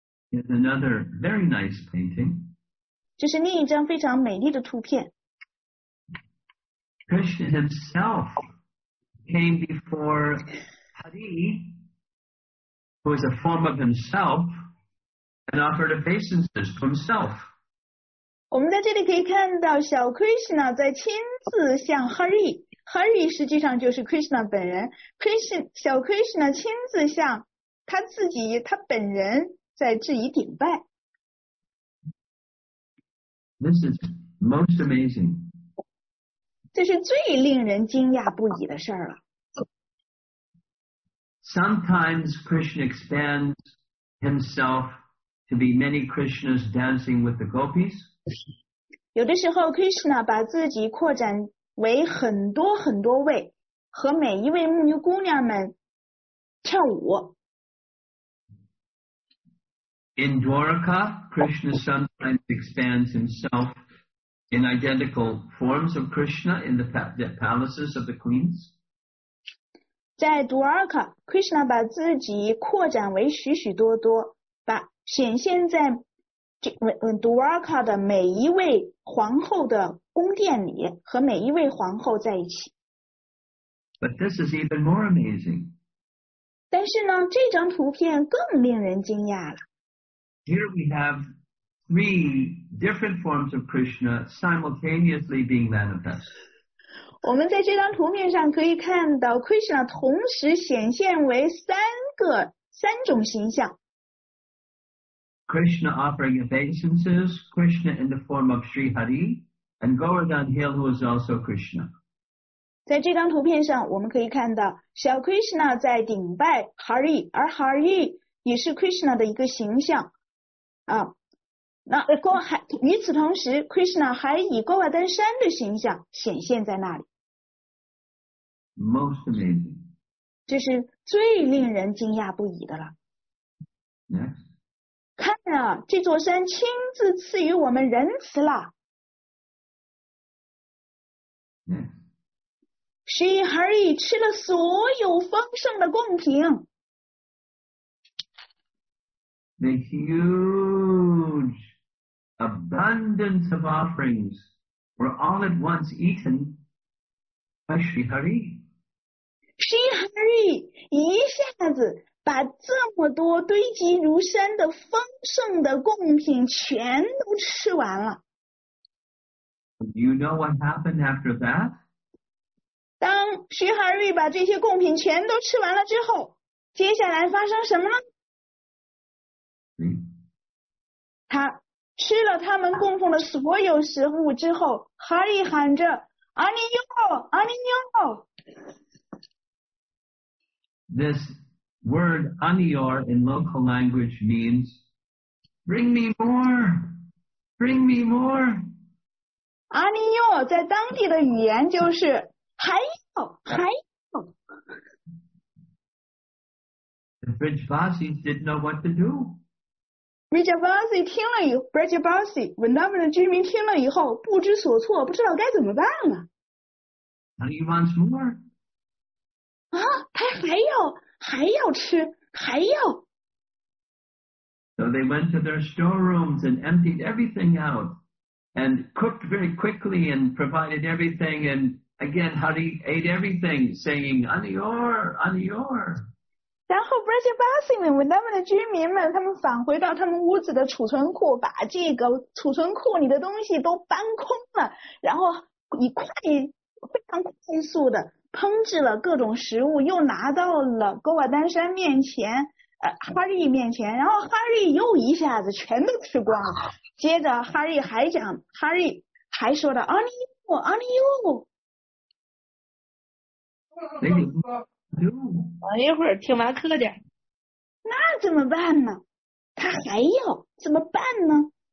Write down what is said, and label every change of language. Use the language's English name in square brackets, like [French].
[English] Here's another very nice painting. [Chinese] 这是另一张非常美丽的图片。 [English] Krishna himself came before Hari, who is a form of himself, and offered obeisances to himself. [Chinese] 我们在这里可以看到小 Krishna 在亲自向 Hari Hari 实际上就是 Krishna 本人 Krishna, 小 Krishna 亲自向他自己他本人在致以顶拜。 [English] This is most amazing. [Chinese] 这是最令人惊讶不已的事儿了。 [English] Sometimes Krishna expands himself to be many Krishnas dancing with the gopis. [Chinese] 有的时候 Krishna 把自己扩展为很多很多位和每一位牧牛姑娘们跳舞。 [English] In Dwaraka, Krishna sometimes expands himself in identical forms of Krishna in the palaces of the queens. [Chinese] 在 Dwaraka, Krishna 把自己扩展为许许多多，把显现在 Dwaraka 的每一位皇后的宫殿里和每一位皇后在一起。 [English] But this is even more amazing. [Chinese] 但是呢，这张图片更令人惊讶了。 [English] Here we have three different forms of Krishna simultaneously being manifest. [Chinese] 我们在这张图片上可以看到 Krishna 同时显现为三种形象。 [English] Krishna offering obeisances, Krishna in the form of Sri Hari, and Govardhan Hill who is also Krishna. [Chinese] 在这张图片上我们可以看到小 Krishna 在顶拜 Hari, 而 Hari 也是 Krishna 的一个形象。那与此同时 Krishna 还以高瓦丹山的形象显现在那里。 [English] Most amazing. [Chinese] 这是最令人惊讶不已的了。 [English] Next. [Chinese] 看啊，这座山亲自赐予我们仁慈了。 [English] Next. [Chinese] Sri Hari 吃了所有丰盛的贡品。 [English] The huge abundance of offerings were all at once eaten by Sri Hari. [Chinese] Sri Hari 一下子把这么多堆积如山的丰盛的贡品全都吃完了。 [English] Do you know what happened after that? [Chinese] 当 Sri Hari 把这些贡品全都吃完了之后，接下来发生什么了？他吃了他们供奉的所有食物之后，哈利喊着阿尼哟阿尼哟。 [English] This word aniyor in local language means bring me more, bring me more. [Chinese] 阿尼哟在当地的语言就是还有还有。 [English] The French Vasis didn't know what to do. [Chinese] Vrijavasi 听了以后 Vrijavasi Vrindavan 的居民听了以后不知所措，不知道该怎么办了。 [English] Now he wants more. [Chinese] 啊，他还要吃，还要。 [English] So they went to their storerooms and emptied everything out and cooked very quickly and provided everything, and again Hari ate everything saying Aniyor, Aniyor. [Chinese] 然后 Vrijavasi 们 Vrindavan 的居民们他们返回到他们屋子的储存库，把这个储存库里的东西都搬空了，然后非常快速的烹制了各种食物，又拿到了 Govardhan 山面前Hari 面前，然后 Hari 又一下子全都吃光了。接着 Hari 还讲 Hari 还说的 Ani yo Ani yo。 [English] Thank you. [Chinese] 等一会儿听完课点，那怎么办呢？他还要怎么办呢？